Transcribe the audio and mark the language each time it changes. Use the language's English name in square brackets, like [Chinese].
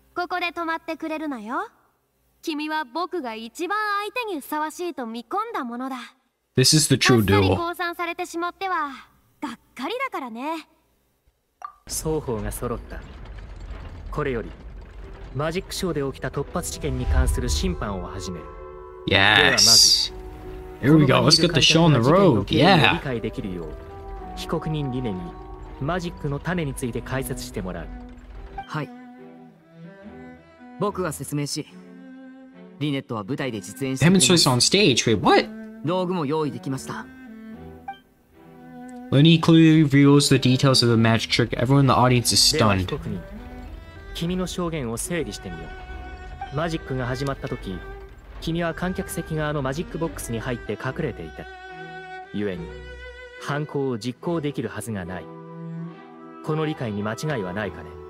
[Japanese] ここで止まってくれるなよ。君は僕が一番相手にふさわしいと見込んだものだ。 [English] This is the true duel. [Japanese] あっさり降参されてしまっては、がっかりだからね。双方が揃った。これより、マジックショーで起きた突発事件に関する審判を始める。 [English] Yes! Here we go, let's get the show on the road, yeah! [Japanese] 理解できるよう、被告人リネにマジックの種について解説してもらう。はい。僕が説明し、リネットは舞台で実演してみます。 [English] Demonstrates on stage, wait, what? [Japanese] 道具も用意できました。 [English] When he clearly reveals the details of the magic trick, everyone in the audience is stunned. [Japanese] では被告人、君の証言を整理してみよう。マジックが始まったとき、君は観客席側のマジックボックスに入って隠れていた。故に犯行を実行できるはずがない。この理解に間違いはないかね。